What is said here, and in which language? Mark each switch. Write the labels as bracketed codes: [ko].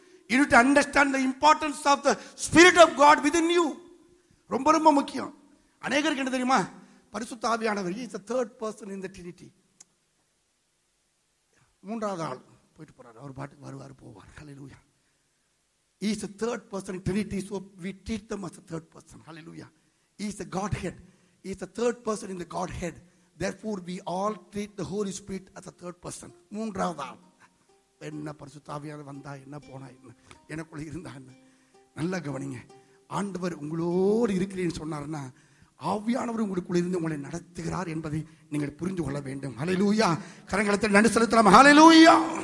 [en] You need to understand the importance of the spirit of God within you. [ta] ரொம்ப ரொம்ப முக்கியம். அநேகருக்கு என்ன தெரியுமா, பரிசுத்த ஆவியானவர் [en] Is the third person in the Trinity. [ta] மூன்றாவது ஆள் போயிட்டு போறாரு, அவர் பாட்டுக்கு வருவார் போவார். ஹல்லேலூயா. [en] He is the third person in Trinity, so we treat them as the third person. Hallelujah. He is the Godhead. He is the third person in the Godhead. Therefore, we all treat the Holy Spirit as the third person. [ta] மூன்றாவதா என்ன பரிசுத்தாவியார் வந்தா என்ன போனா என்ன எனக்குள்ள இருந்தா என்ன. நல்லா கவனிங்க, ஆண்டவர் உங்களோடு இருக்கிறீன்னு சொன்னார்னா ஆவியானவர் உங்களுக்குள்ள இருந்து உங்களை நடத்துகிறார் என்பதை நீங்கள் புரிந்து கொள்ள வேண்டும். ஹல்லேலூயா. கரங்களத்தில் நன்றி செலுத்தலாம். ஹல்லேலூயா.